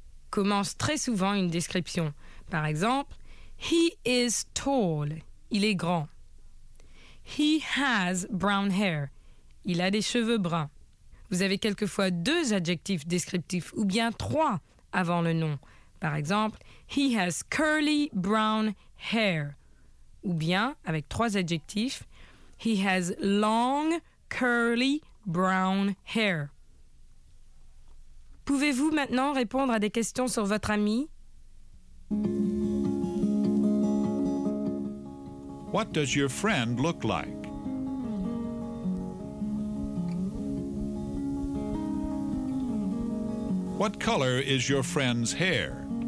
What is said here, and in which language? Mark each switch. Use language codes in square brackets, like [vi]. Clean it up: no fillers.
[fr] Commence très souvent une description. Par exemple, [en] he is tall, [fr] il est grand. [en] He has brown hair, [fr] il a des cheveux bruns. Vous avez quelquefois deux adjectifs descriptifs ou bien trois avant le nom. Par exemple, [en] he has curly brown hair. [fr] Ou bien, avec trois adjectifs, [en] he has long curly brown hair. [fr] Pouvez-vous maintenant répondre à des questions sur votre ami? [en] What does your friend look like? What color is your friend's hair?